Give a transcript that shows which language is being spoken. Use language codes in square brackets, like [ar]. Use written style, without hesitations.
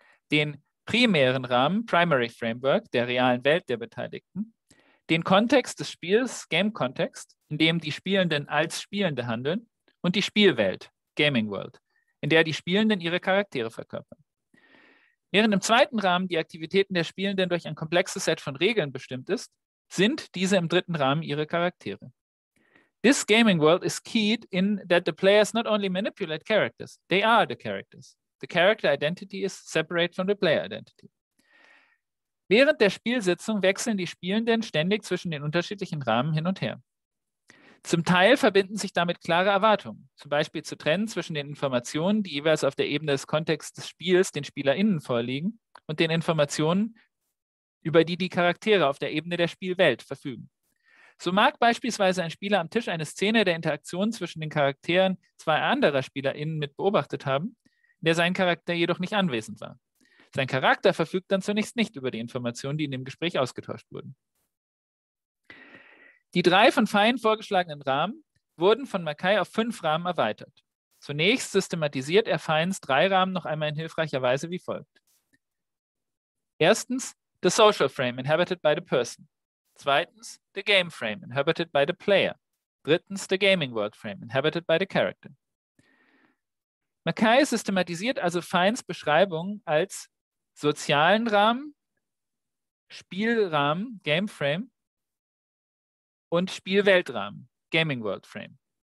[de] Den primären Rahmen, Primary Framework, der realen Welt der Beteiligten, den Kontext des Spiels, Game Context, in dem die Spielenden als Spielende handeln, und die Spielwelt, Gaming World, in der die Spielenden ihre Charaktere verkörpern. Während im zweiten Rahmen die Aktivitäten der Spielenden durch ein komplexes Set von Regeln bestimmt ist, sind diese im dritten Rahmen ihre Charaktere. [en] This gaming world is keyed in that the players not only manipulate characters, they are the characters. The character identity is separate from the player identity. [de] Während der Spielsitzung wechseln die Spielenden ständig zwischen den unterschiedlichen Rahmen hin und her. Zum Teil verbinden sich damit klare Erwartungen, zum Beispiel zu trennen zwischen den Informationen, die jeweils auf der Ebene des Kontexts des Spiels den SpielerInnen vorliegen, und den Informationen, über die die Charaktere auf der Ebene der Spielwelt verfügen. So mag beispielsweise ein Spieler am Tisch eine Szene der Interaktion zwischen den Charakteren zwei anderer SpielerInnen mit beobachtet haben, in der sein Charakter jedoch nicht anwesend war. Sein Charakter verfügt dann zunächst nicht über die Informationen, die in dem Gespräch ausgetauscht wurden. Die drei von Fine vorgeschlagenen Rahmen wurden von Mackay auf fünf Rahmen erweitert. Zunächst systematisiert er Fines drei Rahmen noch einmal in hilfreicher Weise wie folgt. Erstens, [en] the social frame inhabited by the person. [de] Zweitens, [en] the game frame inhabited by the player. [de] Drittens, [en] the gaming world frame inhabited by the character. [de] Mackay systematisiert also Fines Beschreibung als sozialen Rahmen, Spielrahmen, game frame, und Spielweltrahmen, gaming world frame.